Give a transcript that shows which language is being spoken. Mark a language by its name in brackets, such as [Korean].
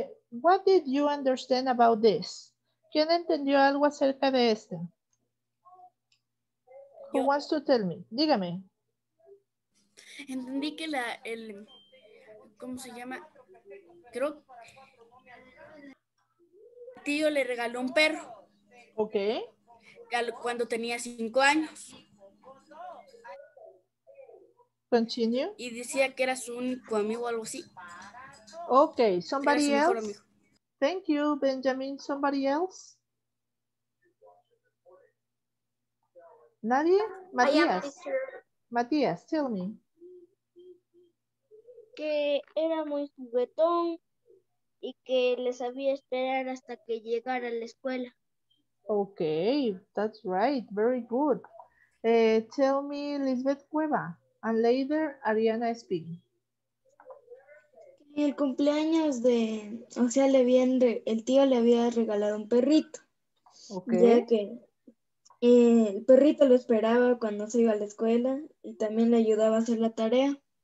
[English] What did you understand about this? [Spanish] ¿Quién entendió algo acerca de este? [English] Who wants to tell me? [Spanish] Dígame. Entendí que el ¿cómo se llama? Creo que el tío le regaló un perro. [English] Ok. [Spanish] Cuando tenía 5 años. [English] Continue. [Spanish] Y decía que era su único amigo o algo así. [English] Ok, somebody else. Thank you, Benjamin. Somebody else. [Spanish] Nadie? [English] Matías. Matías, tell me. [Spanish] Que era muy juguetón y que le sabía esperar hasta que llegara a la escuela. [English] Ok, that's right. Very good. Tell me, Lisbeth Cueva. And later, Ariana speaking. [Spanish] El cumpleaños de, o sea, el tío le había regalado un perrito. [English] Okay. [Spanish] Ya que el perrito lo esperaba cuando se iba a la escuela y también le ayudaba a hacer la tarea.